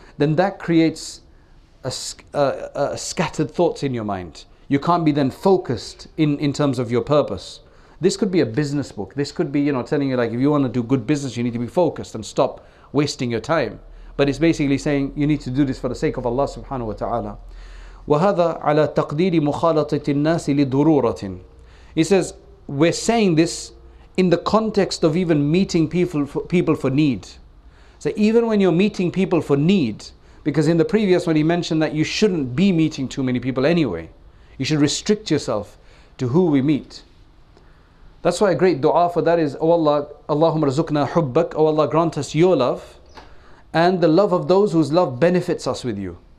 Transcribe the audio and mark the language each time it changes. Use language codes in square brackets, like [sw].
[en] Then that creates a scattered thoughts in your mind. You can't be then focused in terms of your purpose. This could be a business book. This could be, you know, telling you, like, if you want to do good business, you need to be focused and stop wasting your time. But it's basically saying you need to do this for the sake of Allah subhanahu wa ta'ala. [ar] وهذا على تقدير مخالطة الناس لضرورة. [en] He says, we're saying this in the context of even meeting people for need. So even when you're meeting people for need, because in the previous one he mentioned that you shouldn't be meeting too many people anyway. You should restrict yourself to who we meet. That's why a great dua for that is, O Allah, [ar] Allahumma razuqna hubbak, [en] O Allah, grant us your love and the love of those whose love benefits us with you.